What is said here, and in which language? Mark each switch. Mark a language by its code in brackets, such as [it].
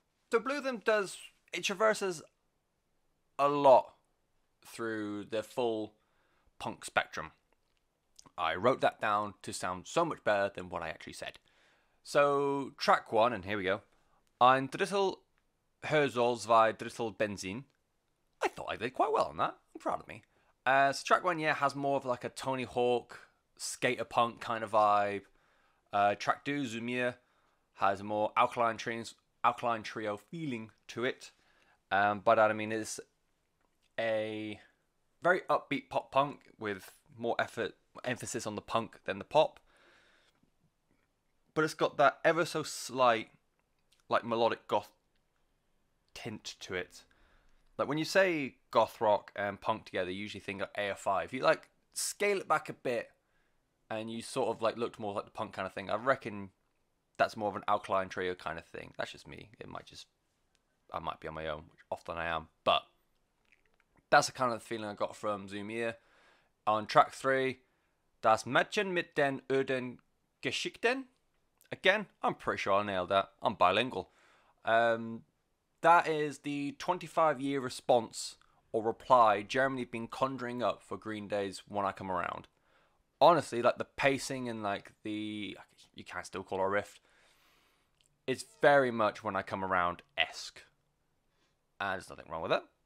[en] So Bluten does, it traverses a lot through the full punk spectrum. I wrote that down to sound so much better than what I actually said. So track one, and here we go. [de] Ein Drittel Hörsaal, zwei Drittel Benzin. [en] I thought I did quite well on that. I'm proud of me. So track one, yeah, has more of like a Tony Hawk skater punk kind of vibe. Track two, Zumir, has a more alkaline trio feeling to it. By that I mean it's a very upbeat pop punk with more emphasis on the punk than the pop. But it's got that ever so slight, like, melodic goth tint to it. Like, when you say goth rock and punk together, you usually think of AFI. If you, like, scale it back a bit and you sort of, like, looked more like the punk kind of thing, I reckon that's more of an Alkaline Trio kind of thing. That's just me. I might be on my own, which often I am, but that's the kind of feeling I got from Zumir. On track three, Das Mädchen mit den Öden Geschichten. Again, I'm pretty sure I nailed that. I'm bilingual. That is the 25-year response or reply Germany have been conjuring up for Green Day's When I Come Around. Honestly, like, the pacing and, like, the, you can still call it a riff, it's very much When I Come Around-esque. And there's nothing wrong with it.